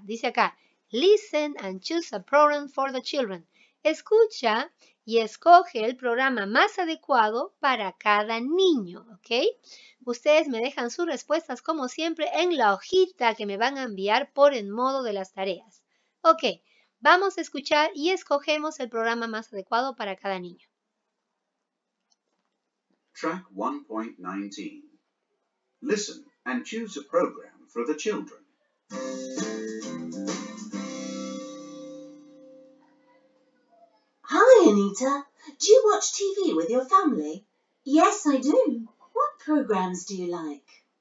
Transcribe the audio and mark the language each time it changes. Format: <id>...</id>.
<es>Dice acá,</es> <en>listen and choose a program for the children.</en> <es>Escucha y escoge el programa más adecuado para cada niño, ¿ok? Ustedes me dejan sus respuestas, como siempre, en la hojita que me van a enviar por el modo de las tareas. Ok, vamos a escuchar y escogemos el programa más adecuado para cada niño.</es> <en>Track 1.19. Listen and choose a program for the children. Hi, Anita. Do you watch TV with your family? Yes, I do. What programs do you like?</en>